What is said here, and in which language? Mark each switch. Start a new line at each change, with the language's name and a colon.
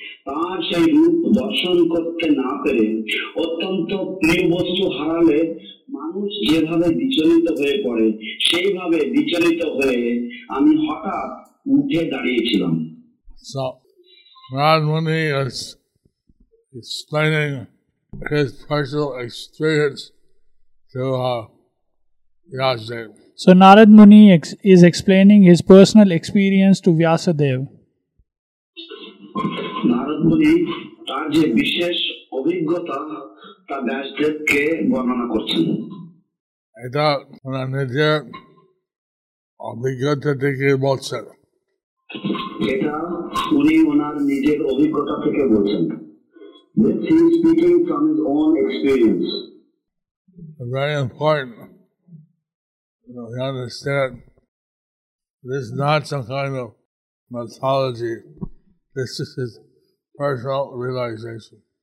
Bangla: Tar sei rup darshan korte na pere, ottonto priyo bostu harale, মানুষ যেভাবে বিচলিত হয়ে পড়ে সেইভাবে বিচলিত হয়ে আমি হঠাৎ উঠে দাঁড়িয়েছিলাম।
English: So, Narad Muni is explaining his personal experience to Vyasadeva. So, Narad Muni is explaining his personal experience to Vyasadeva.
Bangla: Narad Muni তার যে বিশেষ অভিজ্ঞতা তা ব্যাসদেবকে বর্ণনা করছেন। এটা ওনার নিজের অভিজ্ঞতা থেকে বলছেন। এটা উনি ওনার নিজের অভিজ্ঞতা থেকে বলছেন।
English: This he is speaking from his own experience. Very important. You know, you understand. This is not some kind of mythology. This is his personal realization.